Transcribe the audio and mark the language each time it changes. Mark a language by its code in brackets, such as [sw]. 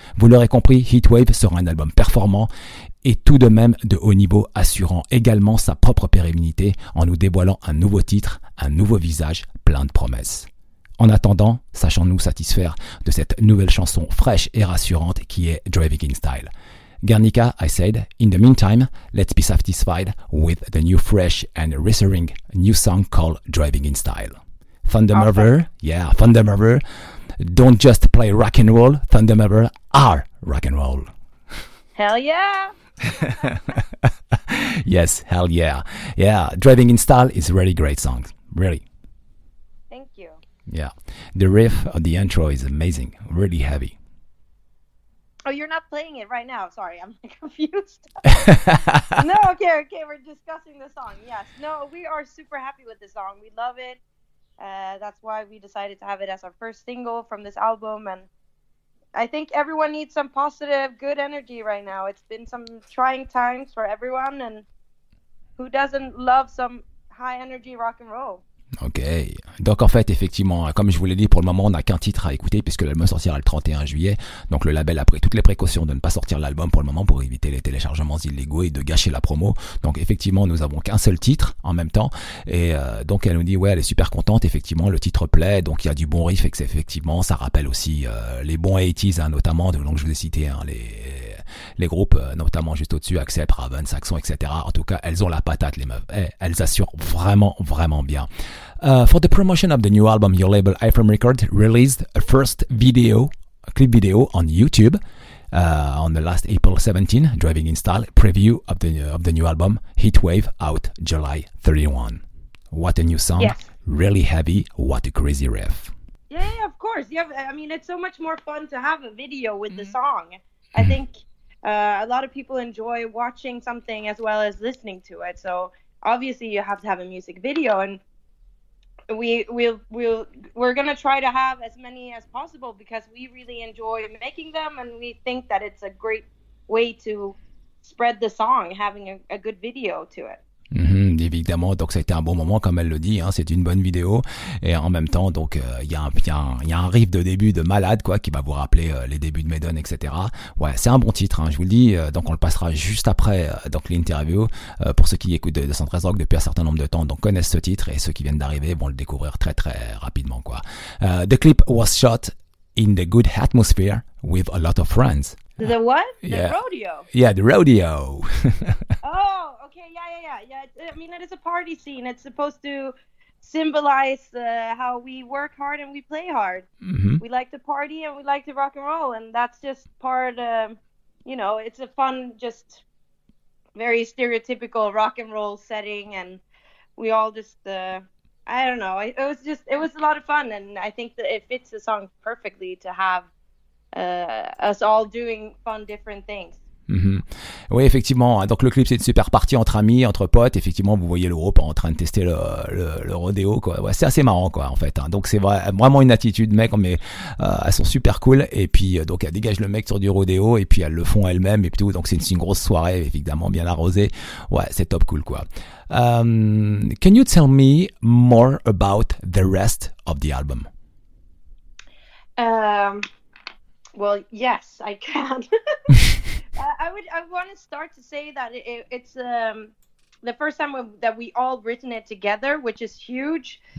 [fr] Vous l'aurez compris, Heatwave sera un album performant, et tout de même de haut niveau, assurant également sa propre pérennité en nous dévoilant un nouveau titre, un nouveau visage plein de promesses. En attendant, sachons-nous satisfaire de cette nouvelle chanson fraîche et rassurante qui est Driving in Style. [en] Guernica, I said, in the meantime, let's be satisfied with the new fresh and reassuring new song called Driving in Style. Thunder Mother, yeah, Thunder Mother, don't just play rock and roll, Thunder Mother are rock and roll. Hell yeah! Yes, hell yeah. Yeah, Driving in Style is a really great song. Really. Thank you. Yeah. The riff of the intro is amazing. Really heavy. Oh, you're not playing it right now. Sorry, I'm confused. No, okay, we're discussing the song. Yes. No, we are super happy with the song. We love it. That's why we decided to have it as our first single from this album. And I think everyone needs some positive, good energy right now. It's been some trying times for everyone, and who doesn't love some high energy rock and roll? [fr] Ok, donc en fait effectivement, comme je vous l'ai dit, pour le moment on n'a qu'un titre à écouter puisque l'album sortira le 31 juillet, donc le label a pris toutes les précautions de ne pas sortir l'album pour le moment pour éviter les téléchargements illégaux et de gâcher la promo, donc effectivement nous avons qu'un seul titre en même temps, et donc elle nous dit ouais elle est super contente, effectivement le titre plaît, donc il y a du bon riff et que c'est effectivement ça rappelle aussi les bons 80s hein, notamment, donc je vous ai cité hein, les groupes, notamment juste au-dessus, Accept, Raven, Saxon, etc. En tout cas, elles ont la patate, les meufs. Et elles assurent vraiment, vraiment bien. [en] For the promotion of the new album, your label AFM Records released a first video, a clip video on YouTube on the last April 17, Driving in Style, preview of the new album, Heatwave, out July 31. What a new song. Yes. Really heavy. What a crazy riff. Yeah, of course. Yeah, I mean, it's so much more fun to have a video with the song. I think a lot of people enjoy watching something as well as listening to it. So obviously you have to have a music video, and we're going to try to have as many as possible because we really enjoy making them, and we think that it's a great way to spread the song, having a good video to it. [fr] Évidemment, donc ça a été un bon moment, comme elle le dit, hein, c'est une bonne vidéo, et en même temps, donc il y a un riff de début de malade, quoi, qui va vous rappeler les débuts de Maiden, etc. Ouais, c'est un bon titre, hein, je vous le dis, donc on le passera juste après donc l'interview, pour ceux qui écoutent de 113 Rock depuis un certain nombre de temps, donc connaissent ce titre, et ceux qui viennent d'arriver vont le découvrir très très rapidement, quoi. [en] The clip was shot in the good atmosphere with a lot of friends. The what? The rodeo? Yeah, the rodeo. Oh! Yeah. I mean, it is a party scene. It's supposed to symbolize how we work hard and we play hard. Mm-hmm. We like to party and we like to rock and roll. And that's just part, you know, it's a fun, just very stereotypical rock and roll setting. And we all just, I don't know, it was a lot of fun. And I think that it fits the song perfectly to have us all doing fun, different things. [fr] Oui, effectivement. Donc, le clip, c'est une super partie entre amis, entre potes. Effectivement, vous voyez le groupe en train de tester le rodéo, quoi. Ouais, c'est assez marrant, quoi, en fait. Hein. Donc, c'est vraiment une attitude, mec, mais elles sont super cool. Et puis, donc, elles dégagent le mec sur du rodéo et puis elles le font elles-mêmes et tout. Donc, c'est une grosse soirée, évidemment, bien arrosée. Ouais, c'est top cool, quoi. [en] Can you tell me more about the rest of the album? Well, yes, I can. I want to start to say that it's the first time that we all written it together, which is huge.